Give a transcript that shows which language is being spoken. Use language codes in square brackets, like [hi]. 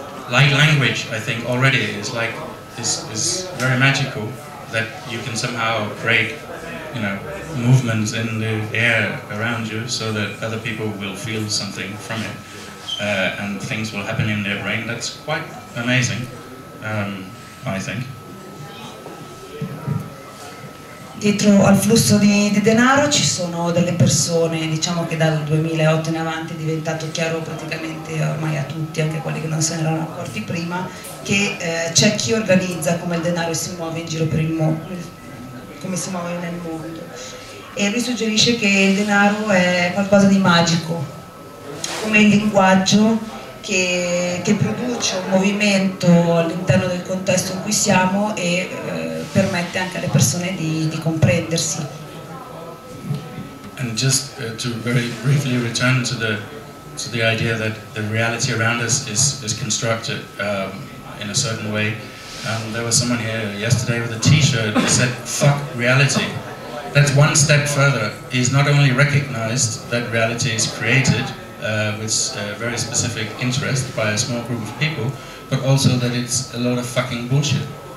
[en] Like language, I think already is very magical, that you can somehow create, you know, movements in the air around you so that other people will feel something from it, and things will happen in their brain. That's quite amazing, I think. [it] Dietro al flusso di denaro ci sono delle persone, diciamo che dal 2008 in avanti è diventato chiaro praticamente ormai a tutti, anche quelli che non se ne erano accorti prima, che c'è chi organizza come il denaro si muove in giro per il mondo, come si muove nel mondo. E lui suggerisce che il denaro è qualcosa di magico, come il linguaggio che produce un movimento all'interno del contesto in cui siamo e permette anche alle persone di comprendersi. [en] And just to very briefly return to the idea that the reality around us is constructed in a certain way. There was someone here yesterday with a t-shirt that said fuck reality. That's one step further. He's not only recognized that reality is created with a very specific interest by a small group of people, but also that it's a lot of fucking bullshit.